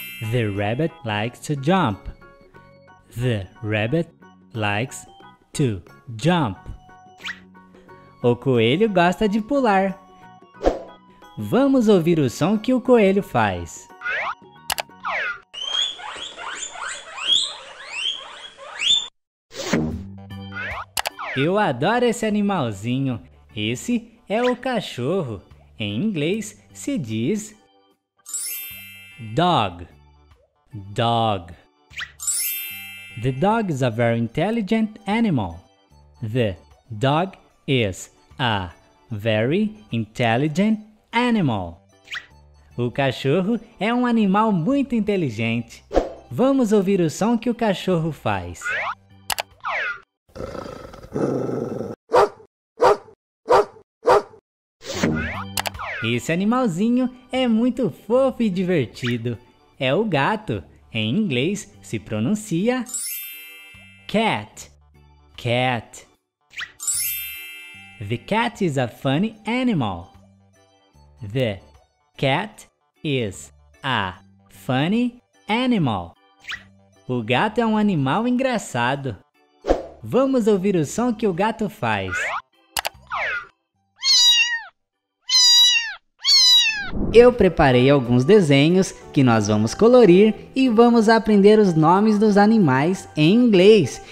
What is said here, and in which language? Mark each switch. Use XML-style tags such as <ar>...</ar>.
<en>The rabbit likes to jump. The rabbit likes to jump.</en> <pt>O coelho gosta de pular. Vamos ouvir o som que o coelho faz. Eu adoro esse animalzinho. Esse é o cachorro. Em inglês se diz dog. Dog.</pt> <en>The dog is a very intelligent animal. The dog is a very intelligent animal.</en> <pt>O cachorro é um animal muito inteligente. Vamos ouvir o som que o cachorro faz. Esse animalzinho é muito fofo e divertido. É o gato. Em inglês, se pronuncia cat.</pt> <en>Cat. The cat is a funny animal. The cat is a funny animal.</en> <pt>O gato é um animal engraçado. Vamos ouvir o som que o gato faz. Eu preparei alguns desenhos que nós vamos colorir e vamos aprender os nomes dos animais em inglês.</pt>